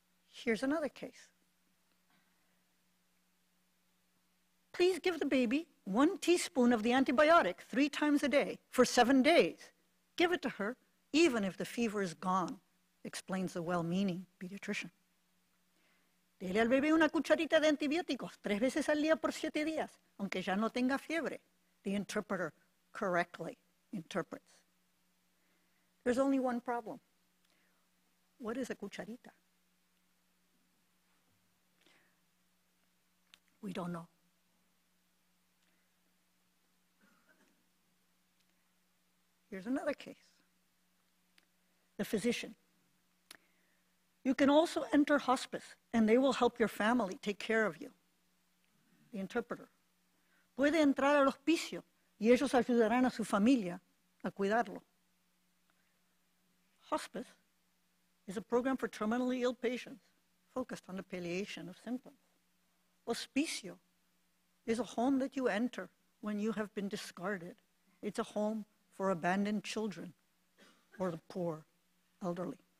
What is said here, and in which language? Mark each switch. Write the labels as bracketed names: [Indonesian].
[English] Here's another case. "Please give the baby 1 teaspoon of the antibiotic 3 times a day for 7 days. Give it to her even if the fever is gone," explains the well-meaning pediatrician. [Spanish] "Dele al bebé una cucharita de antibióticos 3 veces al día por 7 días, aunque ya no tenga fiebre," [English] the interpreter correctly interprets. There's only one problem. What is a cucharita? We don't know. Here's another case. The physician: "You can also enter hospice and they will help your family take care of you." The interpreter: [Spanish] "Puede entrar al hospicio y ellos ayudarán a su familia a cuidarlo." [English] Hospice is a program for terminally ill patients focused on the palliation of symptoms. Hospicio is a home that you enter when you have been discarded. It's a home for abandoned children or the poor elderly.